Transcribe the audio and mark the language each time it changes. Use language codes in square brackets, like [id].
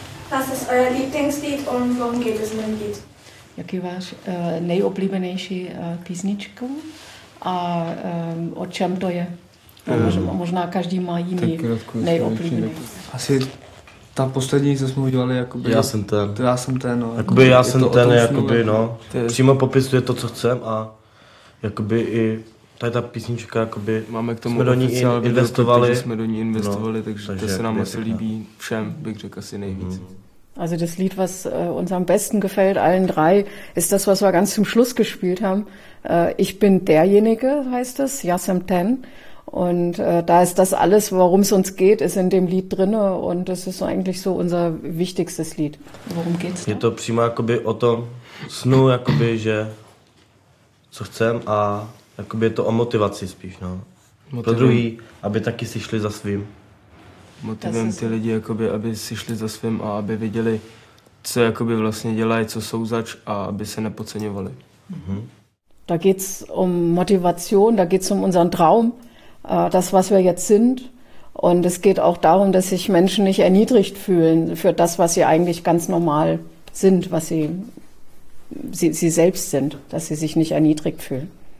[de] Was ist euer Lieblingslied und worum geht es in dem Lied? [cs] Jaký váš nejoblíbenější písničku a o čem to je? Možná každý má jiný nejoblíbenější. Asi ta poslední, co jsme udělali, jakoby... Já jsem ten. Já jsem ten, no. Jakoby já jsem ten, jakoby, no. Přímo popisuje to, co chcem a... Jakoby i tady ta písnička, jakoby máme k tomu oficiál video, takže jsme do ní investovali, no, takže to se nám asi líbí všem, bych řekl asi nejvíc. [de] Also das Lied, was uns am besten gefällt, allen drei, ist das, was wir ganz zum Schluss gespielt haben. Ich bin derjenige, heißt es, Yasem Ten. Und da ist das alles, worum es uns geht, ist in dem Lied drin. Und das ist so eigentlich so unser wichtigstes Lied. Worum geht's [cs] da? Je to přímo jakoby o tom snu, jakoby, že... co chcem a jakoby je to o motivaci spíš, no. Motivem. Pro druhý, aby taky si šli za svým. Motivem ty lidi, jakoby, aby si šli za svým a aby viděli, co jakoby vlastně dělají, co jsou zač a aby se nepodceňovali. [de] Da geht's um Motivation, da geht's um unseren Traum, das, was wir jetzt sind. Und es geht auch darum, dass sich Menschen nicht erniedrigt fühlen für das, was sie eigentlich ganz normal sind, was sie selbst sind, dass sie sich nicht erniedrigt fühlen.